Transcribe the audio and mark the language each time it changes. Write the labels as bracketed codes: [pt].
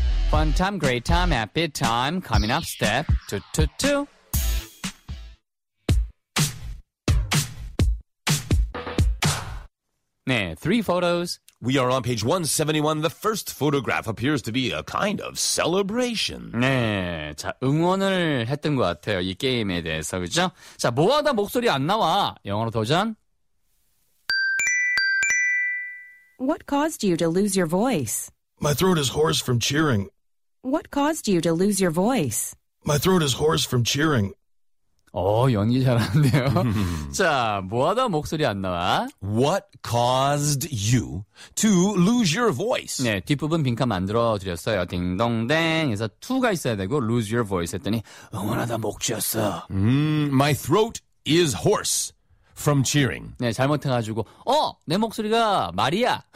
[en] Fun time, great time, happy time. Coming up, step two, two, two. Nah, three photos. We are on page 171. The first photograph appears to be a kind of celebration. [ko] 네, 자 응원을 했던 것 같아요. 이 게임에 대해서, 그렇죠? 자, 뭐하다 목소리 안 나와? 영어로 도전. [en] What caused you to lose your voice? My throat is hoarse from cheering. What caused you to lose your voice? My throat is hoarse from cheering. [ko] 오, 연기 잘하는데요. 자, 뭐하다 목소리 안 나와? [en] What caused you to lose your voice? [ko] 네, 뒷부분 빈칸 만들어드렸어요. 딩동댕 해서 to가 있어야 되고 lose your voice 했더니 응원하다 목 쥐었어. [en] My throat is hoarse from cheering. [ko] 네, 잘못해가지고 어, 내 목소리가 말이야.